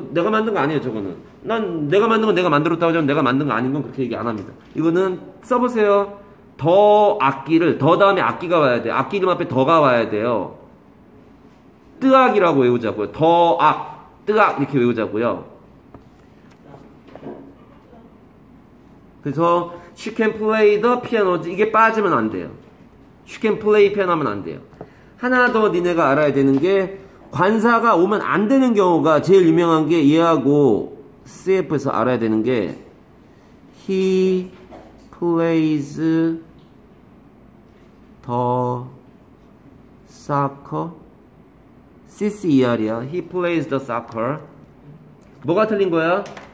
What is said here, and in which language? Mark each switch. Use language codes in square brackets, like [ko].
[ko] 내가 만든 거 아니에요 저거는. 난 내가 만든 건 내가 만들었다고 하면 내가 만든 거 아닌 건 그렇게 얘기 안 합니다. 이거는 써보세요. 더 악기를 더 다음에 악기가 와야 돼. 악기 이름 앞에 더가 와야 돼요. 뜨악이라고 외우자고요. 더 악 뜨악 이렇게 외우자고요. 그래서 [en] She can play the piano. [ko] 이게 빠지면 안 돼요. [en] She can play piano [ko] 하면 안 돼요. 하나 더 니네가 알아야 되는 게 관사가 오면 안 되는 경우가 제일 유명한 게 얘하고 CF에서 알아야 되는 게 [en] He plays the soccer [ko] CCER이야 He plays the soccer 뭐가 틀린 거야?